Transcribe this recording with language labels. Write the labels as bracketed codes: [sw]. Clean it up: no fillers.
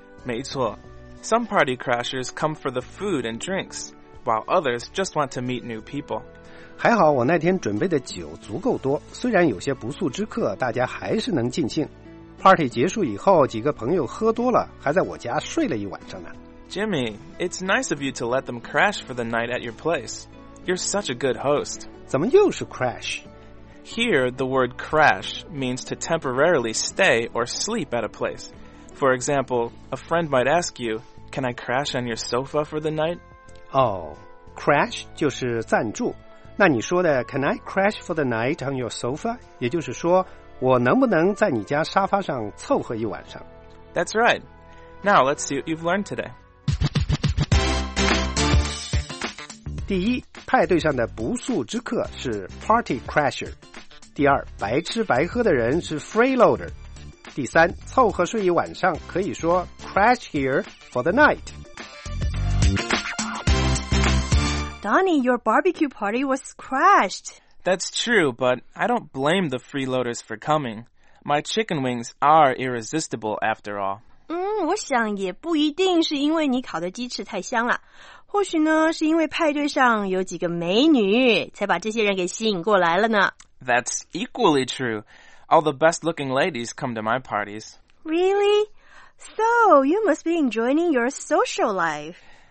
[zh] 没错， [en] some party crashers come for the food and drinks, while others just want to meet new people。 [zh] 还好我那天准备的酒足够多，虽然有些不速之客，大家还是能尽兴。 party 结束以后，几个朋友喝多了，还在我家睡了一晚上呢。 [en] Jimmy, it's nice of you to let them crash for the night at your place. You're such a good host. [zh] 怎么又是 crash? [en] Here, the word crash means to temporarily stay or sleep at a place. For example, a friend might ask you, can I crash on your sofa for the night? Oh, crash [zh] 就是暂住。那你说的 [en] can I crash for the night on your sofa? [zh] 也就是说，我能不能在你家沙发上凑合一晚上？ [en] That's right. Now, let's see what you've learned today. [zh] 第一，派对上的不速之客是 party crasher。第二，白吃白喝的人是 freeloader。第三，凑合睡一晚上可以说 [en] crash here for the night。 Donnie, your barbecue party was crashed. That's true, but I don't blame the freeloaders for coming. My chicken wings are irresistible after all. [zh] 我想也不一定是因为你烤的鸡翅太香了，或许呢，是因为派对上有几个美女，才把这些人给吸引过来了呢。 [en] That's equally true. All the best-looking ladies come to my parties. Really? So, you must be enjoying your social life.